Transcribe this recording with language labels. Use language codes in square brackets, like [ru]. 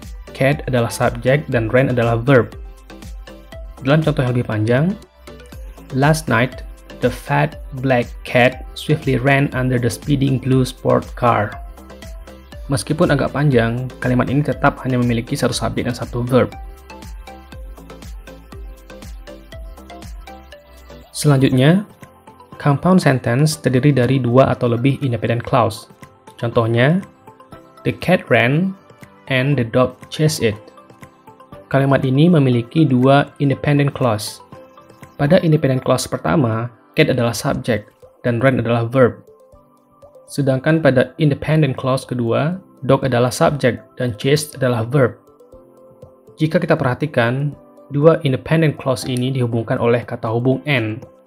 [id] Cat adalah subjek dan ran adalah verb. Dalam contoh yang lebih panjang, [en] last night, the fat black cat swiftly ran under the speeding blue sport car. [id] Meskipun agak panjang, kalimat ini tetap hanya memiliki satu subjek dan satu verb. Selanjutnya, compound sentence terdiri dari dua atau lebih independent clause. Contohnya, [en] the cat ran and the dog chased it. [id] Kalimat ini memiliki dua independent clause. Pada independent clause pertama, cat adalah subjek dan ran adalah verb. Sedangkan pada independent clause kedua, dog adalah subjek dan chased adalah verb. Jika kita perhatikan, dua independent clause ini dihubungkan oleh kata hubung and.